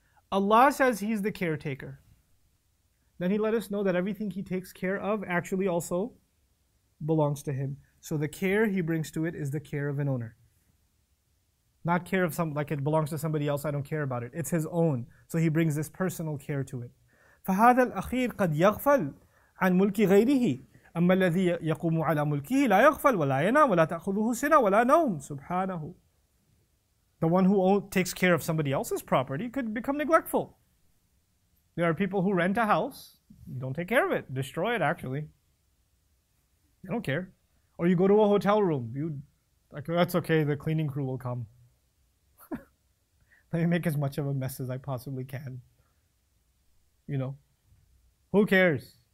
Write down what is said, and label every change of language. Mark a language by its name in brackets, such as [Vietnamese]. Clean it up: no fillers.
[English] Allah says He's the caretaker. Then He let us know that everything He takes care of actually also belongs to Him. So the care He brings to it is the care of an owner. Not care of some like it belongs to somebody else, I don't care about it. It's His own. So He brings this personal care to it. [Arabic] فَهَذَا الْأَخِيرُ قَدْ يَغْفَلْ عَنْ مُلْكِ غَيْرِهِ أَمَّا الَّذِي يَقُومُ عَلَى مُلْكِهِ لَا يَغْفَلْ وَلَا يَنَامُ وَلَا تَأْخُذُهُ سِنَةٌ وَلَا نَوْمٌ سُبْحَانَهُ [English] The one who takes care of somebody else's property could become neglectful. There are people who rent a house, don't take care of it, destroy it actually. They don't care. Or you go to a hotel room, that's okay, the cleaning crew will come. Let me make as much of a mess as I possibly can. You know, who cares?